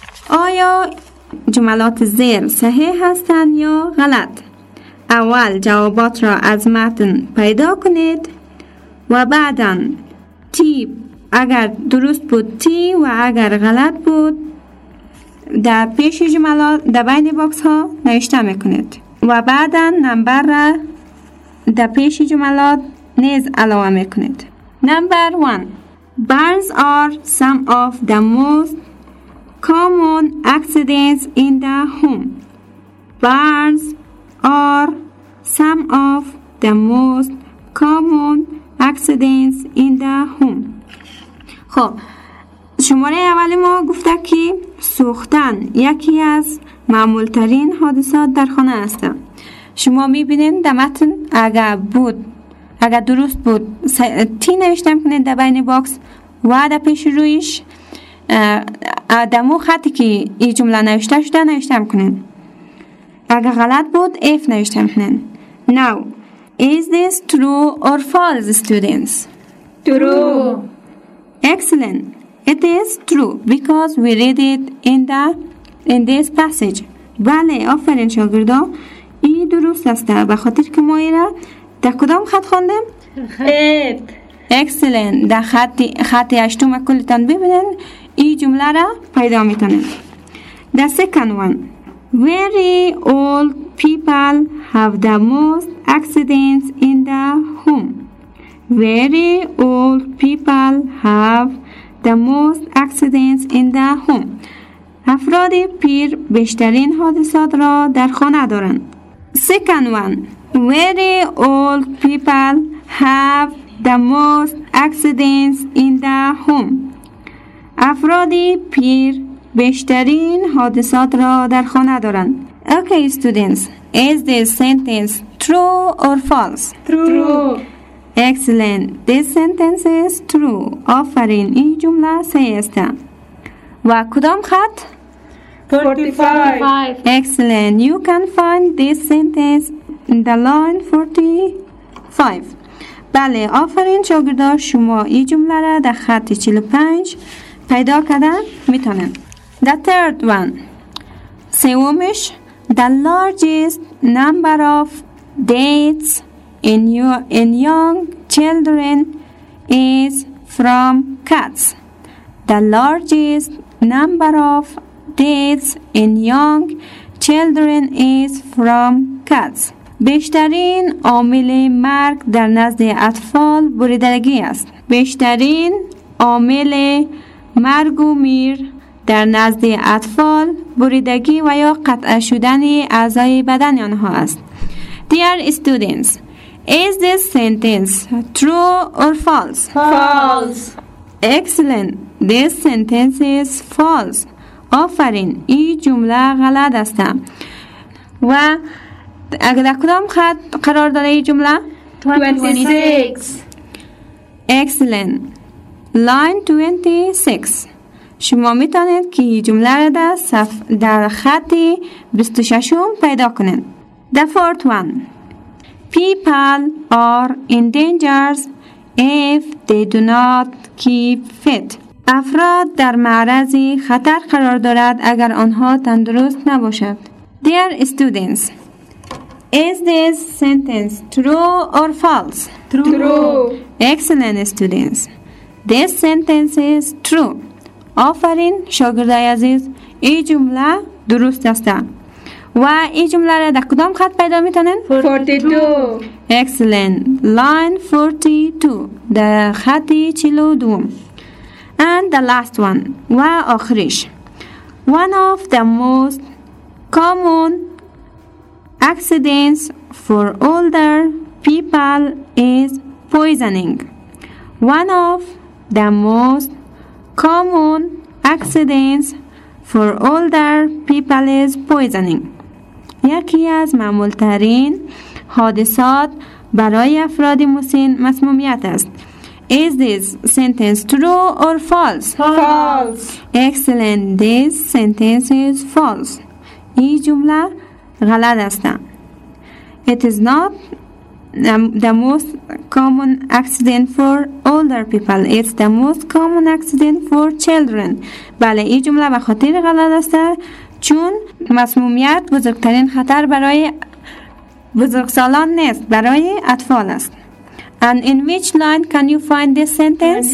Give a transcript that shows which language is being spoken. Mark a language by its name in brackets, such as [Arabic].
[Persian] آیا جملات زیر صحیح هستند یا غلط؟ اول جوابات را از متن پیدا کنید و بعداً تی اگر درست بود تی و اگر غلط بود در پیش جملات در بین باکس ها نوشته میکنید و بعداً نمبر را در پیش جملات نیز علاوه میکنید. نمبر 1. [English] Burns are some of the most common accidents in the home. Burns are some of the most common accidents in the home. [Persian] خب شماره اول ما گفته که سوختن یکی از معمول ترین حادثات در خانه است. شما میبینید در متن اگر بود اگر درست بود تی نوشتم کنید در بین باکس و در پیش رویش آدمو خطی که این جمله نوشته شده نوشتم کنید. اگر غلط بود اف نوشتم کنید. [English] Now, is this true or false, students? True. Excellent. It is true because we read it in this passage. [Persian] بله، آفرین شاگردان. این درست است. به خاطر که ما این را در کدام خط خواندیم؟ خط. [English] Excellent. [Persian] در خط هشتم کلتان ببینید این جمله را پیدا میتونید. [English] The second one. Very old people have the most accidents in the home. Very old people have the most accidents in the home. [Persian] افراد پیر بیشترین حادثات را در خانه دارند. [English] Second one. Very old people have the most accidents in the home. [Persian] افراد پیر بیشترین حادثات را در خانه دارند. [English] Okay, students. Is this sentence true or false? True. Excellent. This sentence is true. آفرین. [Persian] این جمله صحیح است. و کدام خط؟ 45. [English] Excellent. You can find this sentence in the line 45. [Persian] بله. آفرین شاگردان. شما این جمله را در خط 45 پیدا کرده میتونید. [English] The third one. سومش. The largest number of deaths in young children is from cats. The largest number of deaths in young children is from cats. [Persian] بیشترین عامل مرگ در نزد اطفال بریدگی است. بیشترین عامل مرگ و میر در نزد اطفال بریدگی و یا قطع شدن اعضای بدن آنها است. [English] Dear students, is this sentence true or false? False. Excellent. This sentence is false. آفرین. [Persian] این جمله غلط است. و اگر در کدام خط قرار داره این جمله؟ 26. [English] Excellent. Line 26. [Persian] شما میتونید که این جمله را در خط 26 پیدا کنید. [English] The fourth one. People are in danger if they do not keep fit. [Persian] افراد در معرض خطر قرار دارد اگر آنها تندرست نباشد. [English] Dear students, is this sentence true or false? True. Excellent students. This sentence is true. [Persian] آفرین شاگردای عزیز، این جمله درست است. و این جمله را در کدام خط پیدا میتونن؟ 42. [English] Excellent. Line 42. [Persian] در خط 42. [English] And the last one. [Persian] و آخریش. [English] One of the most common accidents for older people is poisoning. One of the most common accidents for older people is poisoning. [Persian] یکی از معمولترین حادثات برای افراد مسن مسمومیت است. [English] Is this sentence true or false? False. Excellent. This sentence is false. [Persian] این جمله غلط است. [English] It is not the most common accident for older people. It's the most common accident for children. [Persian] بله، این جمله به خاطر غلط است چون مسمومیت بزرگترین خطر برای بزرگسالان نیست، برای اطفال است. [English] And in which line can you find this sentence?